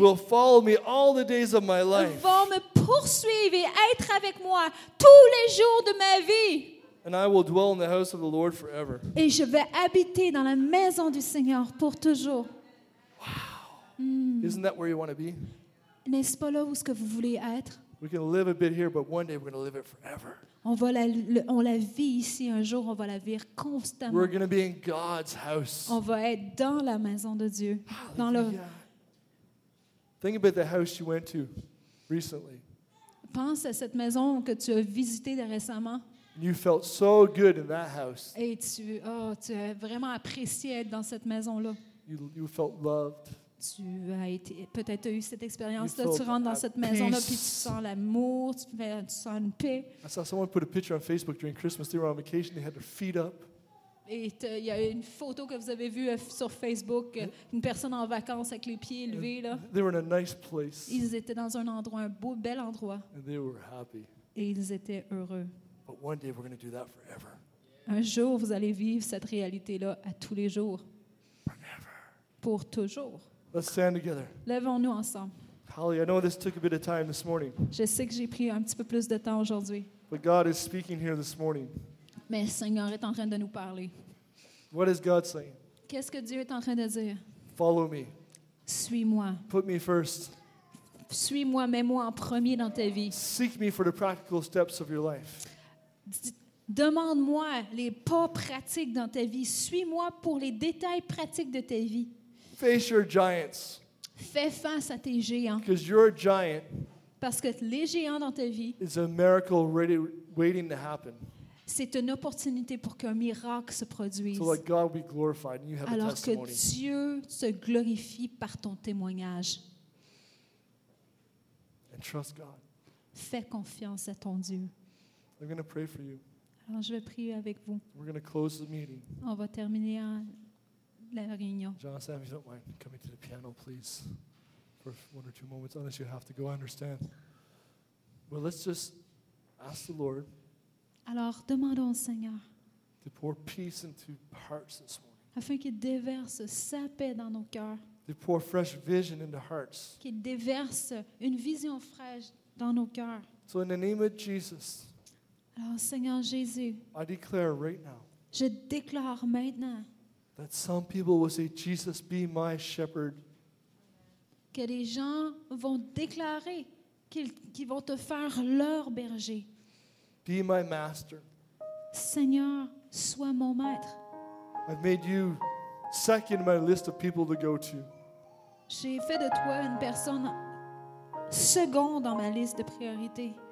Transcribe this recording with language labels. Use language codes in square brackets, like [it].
[en] will follow me all the days of my life. [fr] Vont me poursuivre et être avec moi tous les jours de ma vie. [en] And I will dwell in the house of the Lord forever. [fr] Et je vais habiter dans la maison du Seigneur pour toujours. [en] Isn't that where you want to be? [fr] N'est-ce pas là où ce que vous voulez être? [en] We can live a bit here, but one day we're going to live it forever. [fr] On la vit ici un jour, on va la vivre constamment. [en] We're going to be in God's house. [fr] On va être dans la maison de Dieu, dans le. [en] Think about the house you went to recently. [fr] Pense à cette maison que tu as visitée récemment. [en] You felt so good in that house. [fr] Et tu as vraiment apprécié être dans cette maison là. [en] You felt loved. [fr] Tu as été, peut-être eu cette expérience-là, tu rentres dans cette maison-là, puis tu sens l'amour, tu sens une paix. [en] I saw someone put a picture on Facebook during Christmas, they were on vacation, they had their feet up. [fr] Et il y a une photo que vous avez vue sur Facebook, une personne en vacances avec les pieds élevés. Là. [en] They were in a nice place. [fr] Ils étaient dans un endroit, un beau, bel endroit. [en] And they were happy. [fr] Et ils étaient heureux. [en] But one day we're going to do that forever. [fr] Un jour, vous allez vivre cette réalité-là à tous les jours. [en] Forever. [fr] Pour toujours. [en] Let's stand together. [fr] Levons-nous ensemble. [en] Holly, I know this took a bit of time this morning. [fr] Je sais que j'ai pris un petit peu plus de temps aujourd'hui. [en] But God is speaking here this morning. [fr] Mais le Seigneur est en train de nous parler. [en] What is God saying? [fr] Qu'est-ce que Dieu est en train de dire? [en] Follow me. [fr] Suis-moi. [en] Put me first. [fr] Suis-moi, mets-moi en premier dans ta vie. [en] Seek me for the practical steps of your life. [fr] Demande-moi les pas pratiques dans ta vie. Suis-moi pour les détails pratiques de ta vie. [en] Face your giants. [fr] Fais face à tes géants. [en] Because you're a giant. [fr] Parce que les géants dans ta vie. [en] It's a miracle ready, waiting to happen. [fr] C'est une opportunité pour qu'un miracle se produise. [en] So let God be glorified and you have [fr] alors [en] a testimony. [fr] Alors que Dieu se glorifie par ton témoignage. [en] And trust God. [fr] Fais confiance à ton Dieu. [en] I'm going to pray for you. [fr] Alors je vais prier avec vous. [en] We're going to close the meeting. [fr] On va terminer la réunion. [en] John, Sam, if you don't mind coming to the piano, please, for one or two moments, unless you have to go, I understand. But let's just ask the Lord. [fr] Alors demandons au Seigneur. [en] To pour peace into hearts this morning. [fr] Afin qu'il déverse sa paix dans nos cœurs. [en] To pour fresh vision into hearts. [fr] Qu'il déverse une vision fraîche dans nos cœurs. [en] So in the name of Jesus. [fr] Alors, Seigneur Jésus, [en] I declare right now, [fr] je déclare maintenant [en] that some people will say, Jesus, be my shepherd. [fr] Que les gens vont déclarer qu'ils vont te faire leur berger. [en] Be my master. [fr] Seigneur, sois mon maître. [en] I've made you second in my list of people to go to. [fr] J'ai fait de toi une personne seconde dans ma liste de priorités.